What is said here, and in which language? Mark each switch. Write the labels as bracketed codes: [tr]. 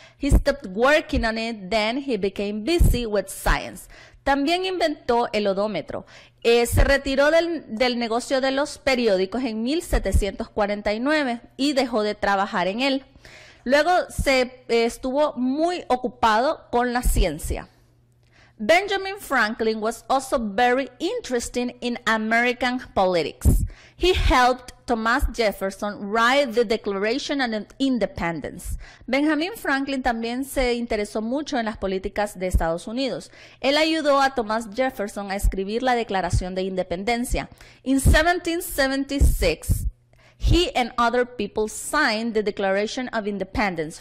[en] He stopped working on it, then he became busy with science. [es] También inventó el odómetro. Se retiró del negocio de los periódicos en 1749 y dejó de trabajar en él. Luego estuvo muy ocupado con la ciencia. [en] Benjamin Franklin was also very interested in American politics. He helped Thomas Jefferson write the Declaration of Independence. [es] Benjamin Franklin también se interesó mucho en las políticas de Estados Unidos. Él ayudó a Thomas Jefferson a escribir la Declaración de Independencia. [en] In 1776, he and other people signed the Declaration of Independence.